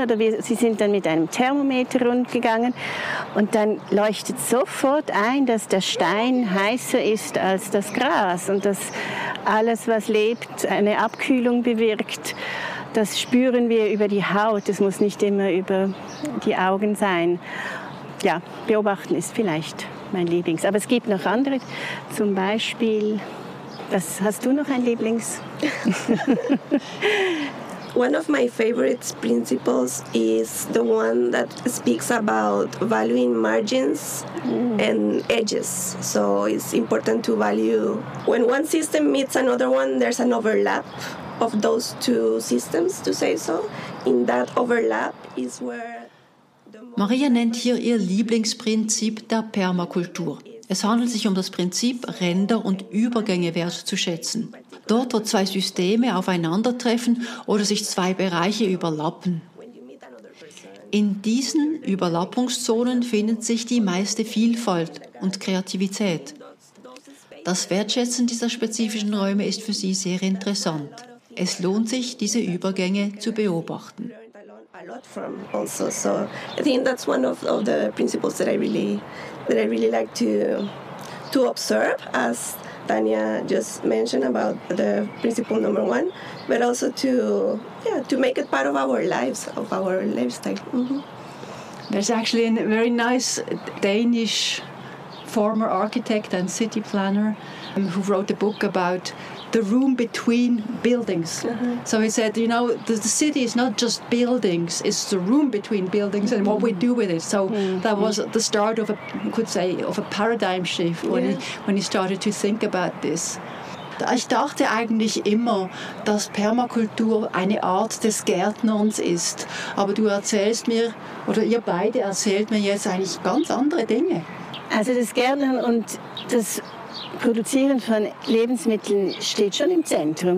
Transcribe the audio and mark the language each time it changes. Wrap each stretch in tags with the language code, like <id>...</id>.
<de>Oder sie sind dann mit einem Thermometer rundgegangen und dann leuchtet sofort ein, dass der Stein heißer ist als das Gras und dass alles, was lebt, eine Abkühlung bewirkt. Das spüren wir über die Haut, das muss nicht immer über die Augen sein. Ja, beobachten ist vielleicht mein Lieblings. Aber es gibt noch andere, zum Beispiel, hast du noch ein Lieblings?</de> <en>One of my favorite principles is the one that speaks about valuing margins and edges. So it's important to value. When one system meets another one, there's an overlap of those two systems, to say so. In that overlap is where...</en> <de>Maria nennt hier ihr Lieblingsprinzip der Permakultur. Es handelt sich um das Prinzip, Ränder und Übergänge wertzuschätzen. Dort, wo zwei Systeme aufeinandertreffen oder sich zwei Bereiche überlappen. In diesen Überlappungszonen findet sich die meiste Vielfalt und Kreativität. Das Wertschätzen dieser spezifischen Räume ist für sie sehr interessant. Es lohnt sich, diese Übergänge zu beobachten.</de> <en>A lot from also, so I think that's one of the principles that I really like to observe, as Tanya just mentioned about the principle number one, but also to make it part of our lives, of our lifestyle. Mm-hmm. There's actually a very nice Danish former architect and city planner who wrote a book about the room between buildings. Mm-hmm. So he said, you know, the city is not just buildings, it's the room between buildings and what we do with it. So that was the start of a paradigm shift when he started to think about this.</en> <de>Ich dachte eigentlich immer, dass Permakultur eine Art des Gärtnerns ist. Aber du erzählst mir, oder ihr beide erzählt mir jetzt eigentlich ganz andere Dinge. Also das Gärtnern und das Produzieren von Lebensmitteln steht schon im Zentrum.</de>